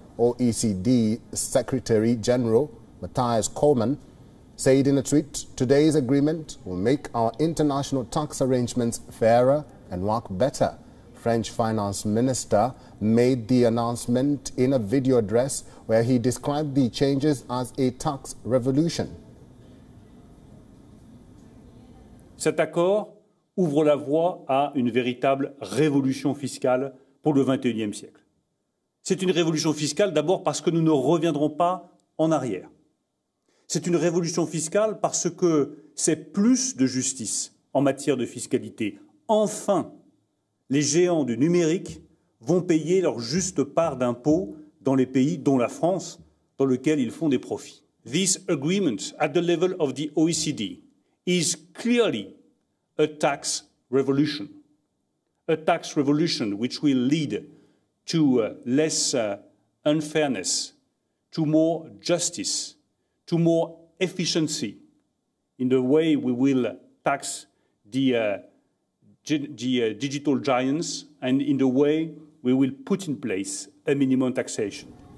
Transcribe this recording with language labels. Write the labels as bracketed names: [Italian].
[English] OECD Secretary General Matthias Coleman said in a tweet, "Today's agreement will make our international tax arrangements fairer and work better." French finance minister made the announcement in a video address where he described the changes as a tax revolution. [French] Cet accord ouvre la voie à une véritable révolution fiscale pour le 21e siècle. C'est une révolution fiscale d'abord parce que nous ne reviendrons pas en arrière. C'est une révolution fiscale parce que c'est plus de justice en matière de fiscalité. Enfin, les géants du numérique vont payer leur juste part d'impôts dans les pays, dont la France, dans lesquels ils font des profits. [English] This agreement at the level of the OECD is clearly a tax revolution. A tax revolution which will lead to less unfairness, to more justice, to more efficiency in the way we will tax the digital giants and in the way we will put in place a minimum taxation.